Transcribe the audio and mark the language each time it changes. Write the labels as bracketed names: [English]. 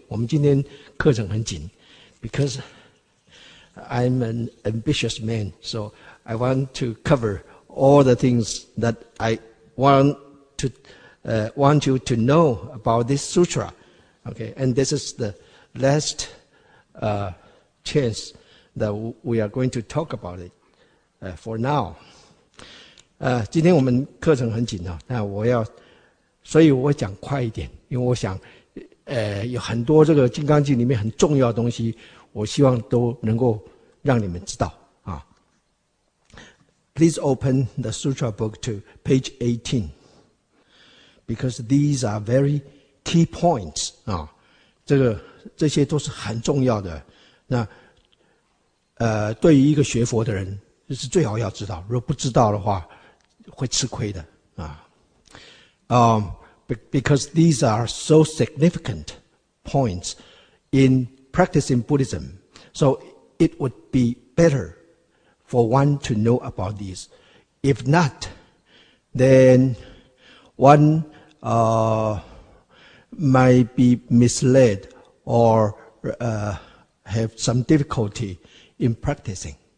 [Chinese] 我们今天课程很紧 [English] because I'm an ambitious man, so I want to cover all the things that I want you to know about this sutra. Okay, and this is the last chance that we are going to talk about it. For now, [Chinese] 今天我们课程很紧啊，那我要，所以我讲快一点，因为我想，有很多这个《金刚经》里面很重要的东西，我希望都能够让你们知道啊。 [English] Please open the sutra book to page 18, because these are very key points [Chinese] 啊，这些都是很重要的。那对于一个学佛的人。这是最好要知道，如果不知道的话会吃亏的啊。 [English] Because these are so significant points in practicing Buddhism, so it would be better for one to know about these. If not, then one might be misled or have some difficulty in practicing.